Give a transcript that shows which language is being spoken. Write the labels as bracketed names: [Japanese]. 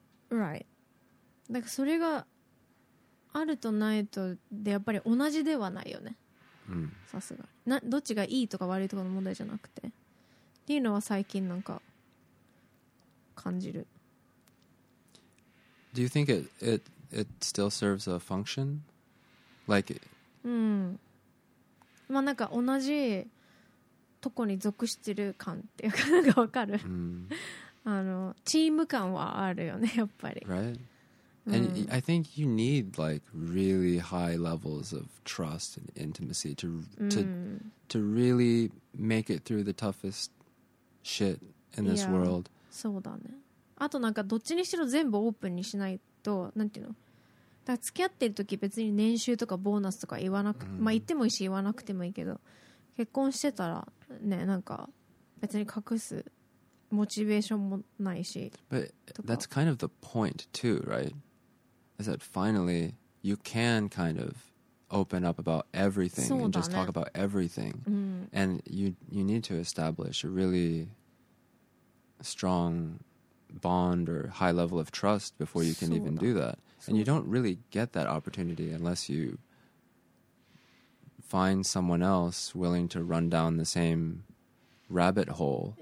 [English] right [Japanese] だからそれがあるとないとでやっぱり同じではないよね、 mm-hmm. さすがなどっちがいいとか悪いとかの問題じゃなくてっていうのは最近なんか感じる。 [English] Do you think it still serves a functionLike it. うん。 [Japanese] まあなんか同じとこに属してる感っていうかなんかわかる。 Mm. あのチーム感はあるよねやっぱり。 [English] Right.、Mm. And I think you need like really high levels of trust and intimacy to really make it through the toughest shit in this world. [Japanese] そうだね。あとなんかどっちにしろ全部オープンにしないとなんていうの。だ付き合ってる時別に年収とかボーナスとか言わなく、まあ、言ってもいいし言わなくてもいいけど結婚してたらねなんか別に隠すモチベーションもないし [English] But that's kind of the point too, right? Is that finally you can kind of open up about everything、ね、 and just talk about everything、うん、 and you need to establish a really strong bond or high level of trust before you can even do thatAnd you don't really get that opportunity unless you find someone else willing to run down the same rabbit hole、